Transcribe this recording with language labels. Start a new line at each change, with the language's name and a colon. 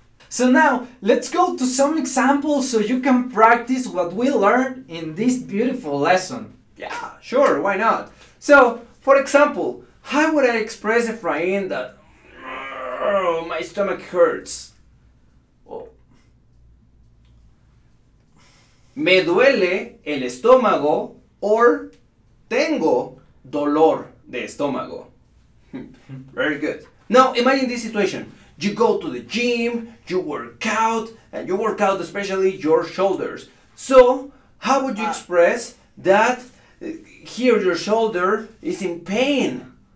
English: So now, let's go to some examples so you can practice what we learned in this beautiful lesson. Yeah, sure, why not? So, for example, how would I express Efraín that my stomach hurts?
Spanish: Me duele el estómago or tengo dolor de estómago.
English: Very good. Now, imagine this situation. You go to the gym, you work out, and you work out especially your shoulders. So, how would you express that here your shoulder is in pain?